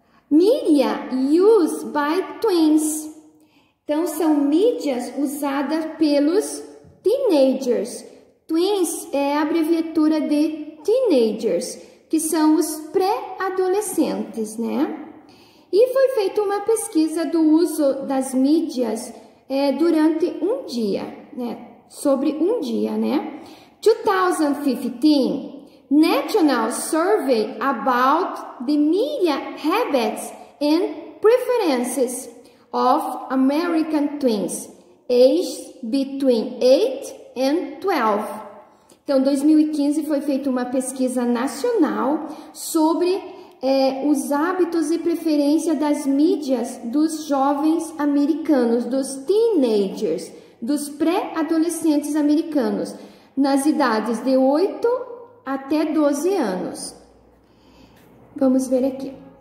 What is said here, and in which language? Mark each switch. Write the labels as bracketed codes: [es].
[en] Media used by twins. [pt] Então, são mídias usadas pelos teenagers. Twins é a abreviatura de teenagers, que são os pré-adolescentes, né? E foi feita uma pesquisa do uso das mídias durante um dia, né? Sobre um dia, né? [en] 2015, National Survey about the Media Habits and Preferences of American Twins, aged between 8 and 12. [pt] Então, em 2015 foi feita uma pesquisa nacional sobre os hábitos e preferência das mídias dos jovens americanos, dos teenagers, dos pré-adolescentes americanos, nas idades de 8 até 12 anos. Vamos ver aqui.